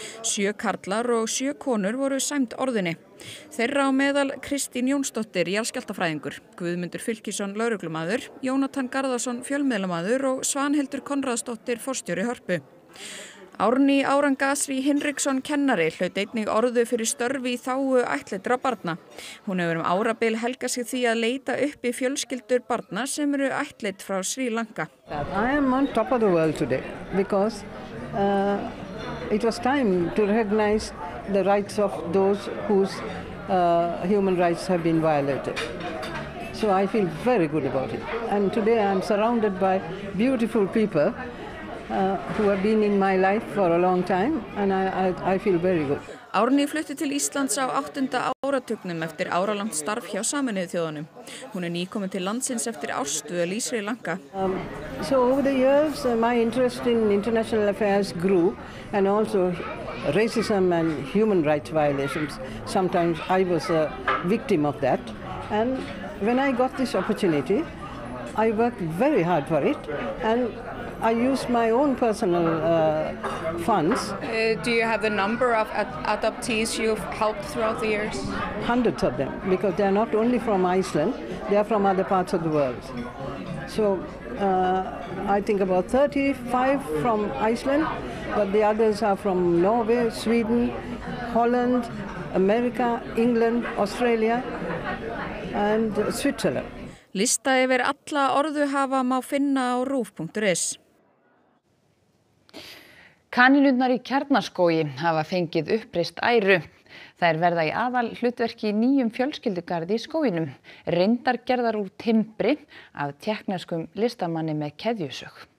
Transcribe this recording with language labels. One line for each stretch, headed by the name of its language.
Icelandic: Sjö karlar og sjö konur voru sæmd orðinni. Þeirra á meðal Kristín Jónsdóttir, jarðskjálftafræðingur, Guðmundur Fylkisson, lögreglumaður, Jónatan Garðarsson, fjölmiðlamaður og Svanhildur Konráðsdóttir, forstjóri Hörpu. Árný Árangasri Hinriksson kennari hlaut einnig orðu fyrir störfi í þágu ættleitra barna. Hún hefur árabil helgað sig því að leita uppi fjölskyldur barna sem eru ættleitt frá Sri Lanka.
English: I am on top of the world today because it was time to recognize the rights of those whose human rights have been violated. So I feel very good about it. And today I'm surrounded by beautiful people who have been in my life for a long time and I feel very good.
Icelandic: Árný flutti til Íslands á 8. áratugnum eftir áralangt starf hjá Sameinuðu þjóðunum. Hún nýkomin til landsins eftir ársdvöl í Sri Lanka.
English: So over the years my interest in international affairs grew and also racism and human rights violations. Sometimes I was a victim of that. And when I got this opportunity, I worked very hard for it and I used my own personal funds. Do you have the number of adoptees you've helped throughout the years? Hundreds of them, because they're not only from Iceland, they're from other parts of the world. So I think about 35 from Iceland, but the others are from Norway, Sweden, Holland, America, England, Australia and Switzerland.
Icelandic: Lista yfir alla orðuhafa má finna á rúf.is. Kanínurnar í Kjarnaskógi hafa fengið uppreist æru. Þær verða í aðal hlutverki í nýjum fjölskyldugarði í skóginum, reyndargerðar úr timbri af tjekknarskum listamanni með keðjusög.